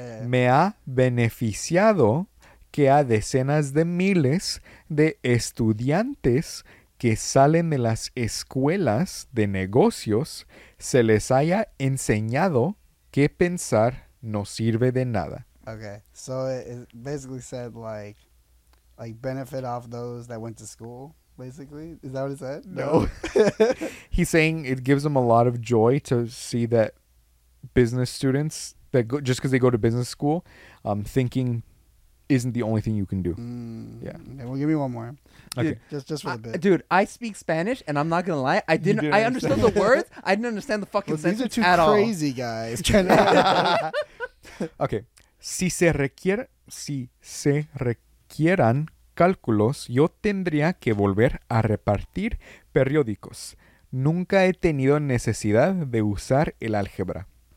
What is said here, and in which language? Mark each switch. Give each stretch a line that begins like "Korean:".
Spanish: Me ha beneficiado que a decenas de miles de estudiantes que salen de las escuelas de negocios se les haya enseñado que pensar no sirve de nada.
English: Okay, so it basically said like benefit off those that went to school, basically. Is that what it said? No. He's saying it gives them a lot of joy to see that business students, that go, just because they go to business school, thinking isn't the only thing you can do. Yeah. Well, give me one more. Okay. Just for a bit. Dude, I speak Spanish, and I'm not going to lie. I understood the words. I didn't understand the fucking sentence at all. These are two crazy guys. Okay.
Spanish: Si se requieran cálculos, yo tendría que volver a repartir periódicos. Nunca he tenido necesidad de usar el álgebra.